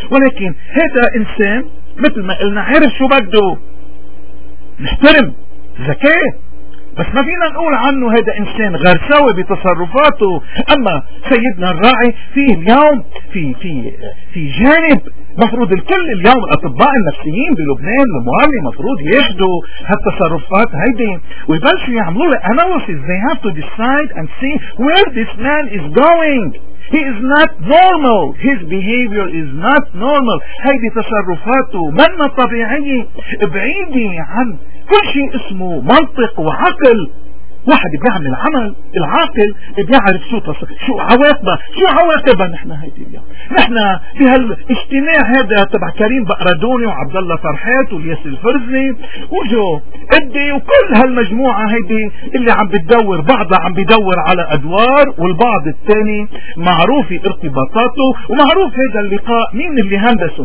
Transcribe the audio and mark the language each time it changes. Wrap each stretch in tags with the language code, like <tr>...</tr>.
<ar>ولكن هذا انسان مثل ما قلنا عارف شو بده، نحترم ذكاءه، بس ما فينا نقول عنه هذا انسان غرساوي بتصرفاته. اما سيدنا الراعي فيه اليوم في في في جانب مفروض الكل اليوم الاطباء النفسيين بلبنان المعلم مفروض ياخدوا هالتصرفات هيدي ويبلشوا يعملوا له analysis.</ar> <en>They have to decide and see where this man is going. He is not normal. His behavior is not normal.</en> <ar>هيدي تصرفاته منا طبيعية، بعيدة عن كل شيء اسمه منطق وعقل. واحد بيعمل عمل العاقل بيعرف شو تصرف شو عواقبها. نحن هيدي اليوم نحن في هالاجتماع هذا تبع كريم بقردوني وعبد الله فرحات والياس الفرزي وجو ادي وكل هالمجموعة هيدي اللي عم بتدور، بعضها عم بيدور على ادوار والبعض الثاني معروف ارتباطاته ومعروف هذا اللقاء مين اللي هندسه.</ar>